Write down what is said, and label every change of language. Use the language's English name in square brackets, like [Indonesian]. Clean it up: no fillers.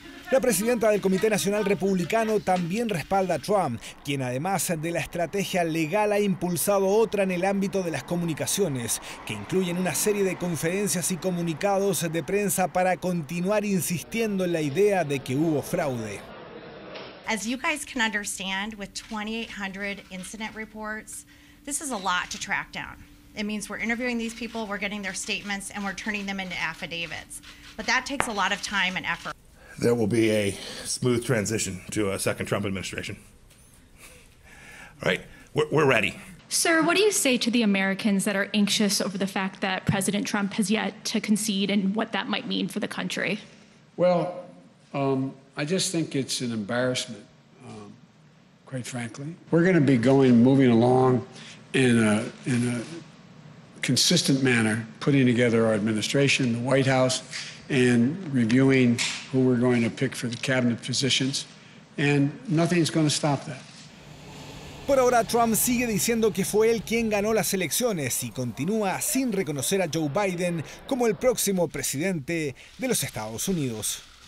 [Spanish] La presidenta del Comité Nacional Republicano también respalda a Trump, quien además de la estrategia legal ha impulsado otra en el ámbito de las comunicaciones, que incluyen una serie de conferencias y comunicados de prensa para continuar insistiendo en la idea de que hubo fraude. [English] As you guys can understand, with 2,800 incident reports, this is a lot to track down. It means we're interviewing these people, we're getting their statements, and we're turning them into affidavits. But that takes a lot of time and effort. There will be a smooth transition to a second Trump administration. All right, we're ready. Sir, what do you say to the Americans that are anxious over the fact that President Trump has yet to concede and what that might mean for the country? Well, I just think it's an embarrassment, quite frankly. We're going to be moving along in a consistent manner, putting together our administration, the White House, and reviewing who we're going to pick for the cabinet positions. And nothing's going to stop that. [Spanish] Por ahora, Trump sigue diciendo que fue él quien ganó las elecciones y continúa sin reconocer a Joe Biden como el próximo presidente de los Estados Unidos.